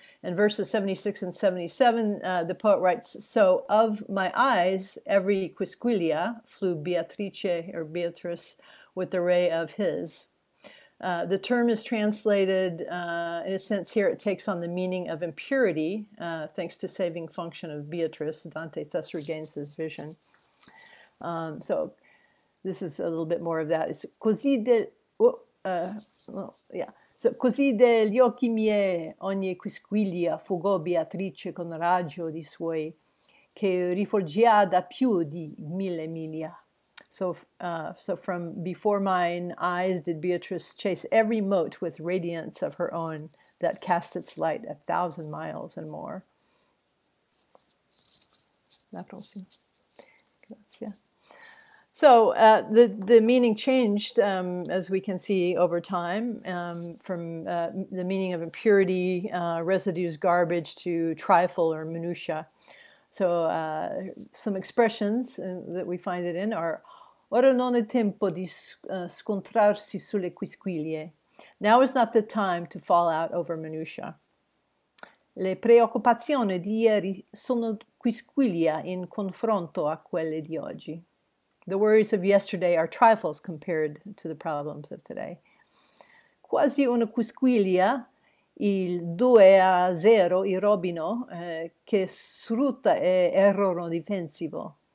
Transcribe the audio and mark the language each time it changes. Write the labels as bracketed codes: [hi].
[en] In verses 76 and 77, the poet writes, so of my eyes, every quisquilia flew Beatrice or Beatrice with the ray of his. The term is translated, in a sense here, it takes on the meaning of impurity, thanks to saving function of Beatrice. Dante thus regains his vision. So this is a little bit more of that. It's così [it] So, così degli occhi miei ogni quisquiglia fugò Beatrice con raggio di suoi che rifolgia da più di mille miglia. [en] So from before mine eyes did Beatrice chase every mote with radiance of her own that cast its light 1,000 miles and more. [it] La prossima. Grazie. [en] So the meaning changed, as we can see over time, from the meaning of impurity, residues, garbage, to trifle or minutia. So some expressions that we find it in are, [it] ora non è tempo di scontrarsi sulle quisquiglie. [en] Now is not the time to fall out over minutia. [it] Le preoccupazioni di ieri sono quisquiglia in confronto a quelle di oggi. [en] The worries of yesterday are trifles compared to the problems of today. [it] Quasi una quisquiglia, il 2-0 il Robino, che sfrutta errore difensivo.